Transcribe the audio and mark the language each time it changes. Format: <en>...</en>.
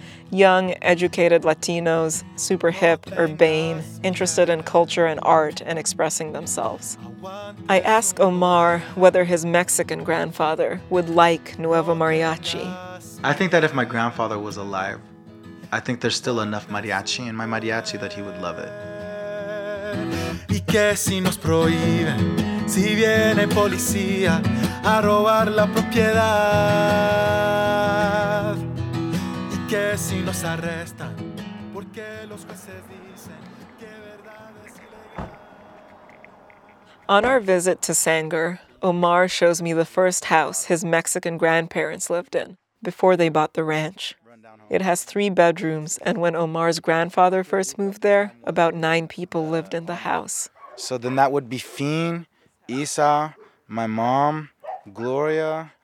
<en>Young, educated Latinos, super hip, urbane, interested in culture and art and expressing themselves. I ask Omar whether his Mexican grandfather would like Nuevo Mariachi. I think that if my grandfather was alive, I think there's still enough mariachi in my mariachi that he would love it.</en> <es>¿Y qué si nos prohíben? Si viene policía a robar la propiedad. ¿Y qué si nos arrestan? Porque los jueces dicen que verdad es ilegal.</es> <en>On our visit to Sanger, Omar shows me the first house his Mexican grandparents lived in before they bought the ranch. It has three bedrooms, and when Omar's grandfather first moved there, about nine people lived in the house. So then that would be Fien, Isa, my mom, Gloria.</en>